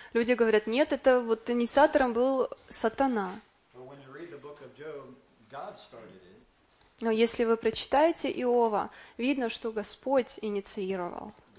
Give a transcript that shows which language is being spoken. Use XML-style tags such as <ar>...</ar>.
<ru>Люди говорят, нет, это вот инициатором был сатана.</ru> <en>But when you read the book of Job, God started it.</en> <ru>Но если вы прочитаете Иова, видно, что Господь инициировал.</ru>